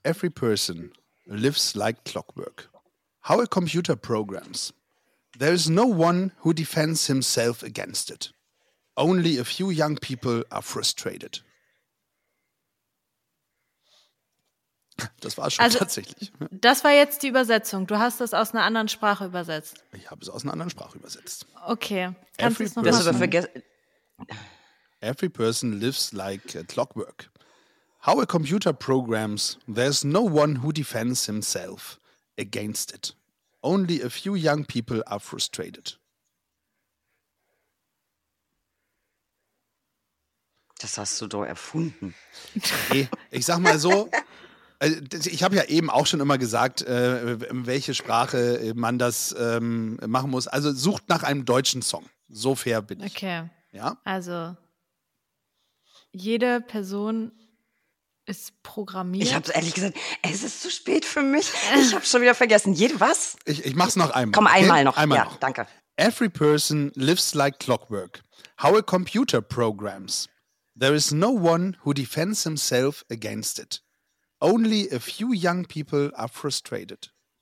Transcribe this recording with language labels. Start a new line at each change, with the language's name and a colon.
English: Every person lives like clockwork. How a computer programs. There is no one who defends himself against it. Only a few young people are frustrated.
German: Das war schon also, tatsächlich. Das war jetzt die Übersetzung. Du hast das aus einer anderen Sprache übersetzt. Ich habe es aus einer anderen Sprache übersetzt. Okay. Kannst du es noch mal vergessen?
English: Every person lives like clockwork. How a computer programs, there's no one who defends himself against it. Only a few young people are frustrated.
German: Das hast du doch erfunden. Nee, ich sag mal so. Ich habe ja eben auch schon immer gesagt, welche Sprache man das machen muss. Also sucht nach einem deutschen Song. So fair bin ich. Okay. Ja? Also jede Person ist programmiert. Ich habe ehrlich gesagt, es ist zu spät für mich. Ich habe schon wieder vergessen. Jede was? Ich mache es noch einmal. Komm, einmal okay? Noch. Einmal ja, noch. Danke.
English: Every person lives like clockwork. How a computer programs. There is no one who defends himself against it. Only a few young people are frustrated.